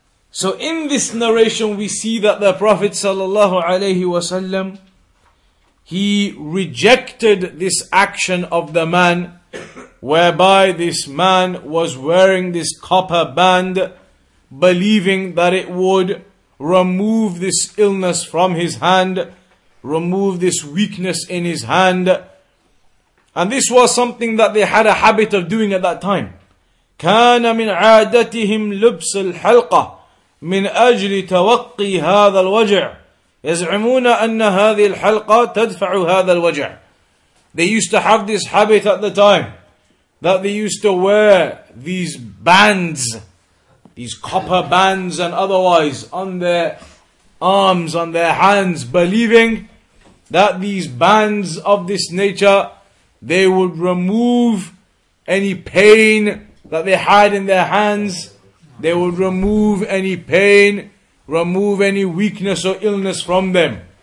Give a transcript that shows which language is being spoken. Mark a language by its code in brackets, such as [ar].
[en] So in this narration we see that the Prophet ﷺ, he rejected this action of the man, whereby this man was wearing this copper band, believing that it would remove this illness from his hand, remove this weakness in his hand. And this was something that they had a habit of doing at that time. [ar] كان من عادتهم لبس الحلقة من أجل توقي هذا الوجع يزعمون أن هذه الحلقة تدفع هذا الوجع. [en] They used to have this habit at the time, that they used to wear these bands, these copper bands and otherwise, on their arms, on their hands, believing that these bands of this nature, they would remove any pain that they had in their hands, they would remove any pain, remove any weakness or illness from them.